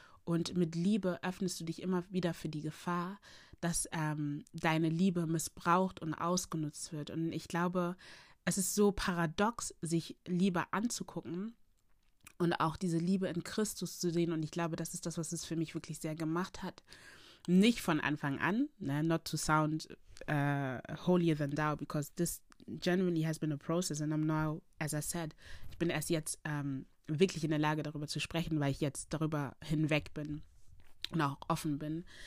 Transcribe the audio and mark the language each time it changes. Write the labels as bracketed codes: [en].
[de] Und mit Liebe öffnest du dich immer wieder für die Gefahr, dass deine Liebe missbraucht und ausgenutzt wird. Und ich glaube, es ist so paradox, sich Liebe anzugucken und auch diese Liebe in Christus zu sehen. Und ich glaube, das ist das, was es für mich wirklich sehr gemacht hat. Nicht von Anfang an, ne? [en] Not to sound holier than thou, because this genuinely has been a process. And I'm now, as I said, [de] ich bin erst jetzt wirklich in der Lage, darüber zu sprechen, weil ich jetzt darüber hinweg bin und auch offen bin.